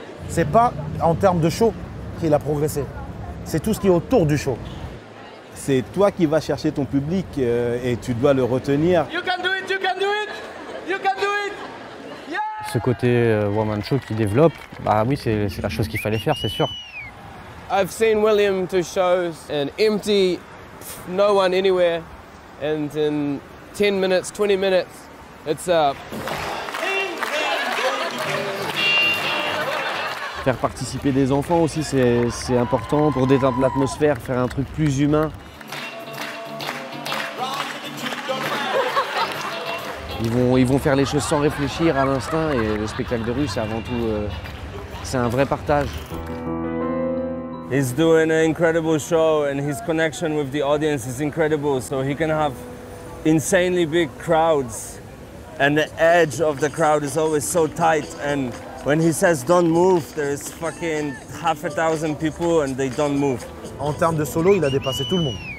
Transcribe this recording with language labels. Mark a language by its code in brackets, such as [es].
[fr] C'est pas en termes de show qu'il a progressé. C'est tout ce qui est autour du show. C'est toi qui vas chercher ton public et tu dois le retenir. [en] You can do it. Yeah. [fr] Ce côté woman show qui développe, bah oui, c'est la chose qu'il fallait faire, c'est sûr. [en] I've seen William do shows and empty, no one anywhere, and in 10 minutes, 20 minutes, it's up. [fr] Faire participer des enfants aussi, c'est important pour détendre l'atmosphère, faire un truc plus humain. Ils vont faire les choses sans réfléchir à l'instinct et le spectacle de rue, c'est avant tout, c'est un vrai partage. [en] He's doing an incredible show and his connection with the audience is incredible, so he can have insanely big crowds and the edge of the crowd is always so tight and when he says don't move, there's fucking 500,000 people and they don't move. [fr] En termes de solo, il a dépassé tout le monde.